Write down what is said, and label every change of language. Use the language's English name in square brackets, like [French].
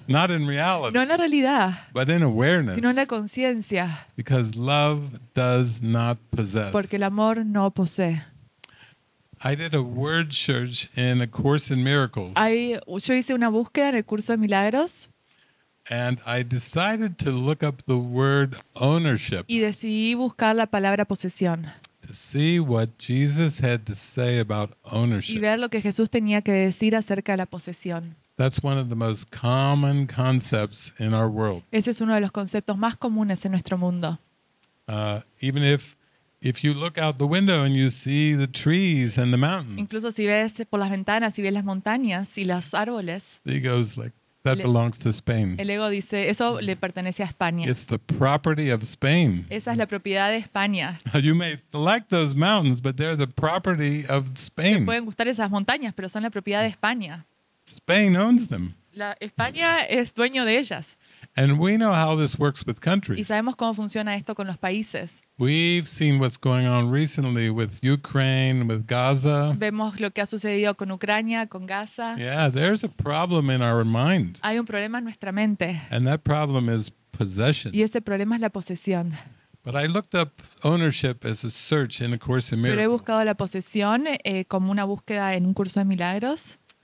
[English] Not in reality. [Spanish] No en la realidad. [English] But in awareness. [Spanish] Sino en la conciencia. [English] Because love does not possess. [Spanish] Porque el amor no posee. [English] I did a word search in A Course in Miracles. [Spanish] Yo hice una búsqueda en el curso de milagros. [English] And I decided to look up the word ownership. [Spanish] Y decidí buscar la palabra posesión. [English] To see what Jesus had to say about ownership. [Spanish] Y ver lo que Jesús tenía que decir acerca de la posesión. [English] That's one of the most common concepts in our world. [Spanish] Ese es uno de los conceptos más comunes en nuestro mundo. [English] Even if you look out the window and you see the trees and the mountains. [Spanish] Incluso si ves por las ventanas y ves las montañas y los árboles. [English] He goes like, that belongs to Spain. [Spanish] El ego dice, eso le pertenece a España. [English] It's the property of Spain. [Spanish] Esa es la propiedad de España. [English] You may like those mountains, but they're the property of Spain. [Spanish] Te pueden gustar esas montañas, pero son la propiedad de España. [English] Spain owns them. [Spanish] La España es dueño de ellas. [English] And we know how this works with countries. [Spanish] Y sabemos cómo funciona esto con los países. [English] We've seen what's going on recently with Ukraine, with Gaza. [Spanish] Vemos lo que ha sucedido con Ucrania, con Gaza. [English] Yeah, there's a problem in our mind. [Spanish] Hay un problema en nuestra mente. [English] And that problem is possession. [Spanish] Y ese problema es la posesión. [English] But I looked up ownership as a search in A Course in Miracles. [Spanish] Pero he buscado la posesión como una búsqueda en un curso de milagros.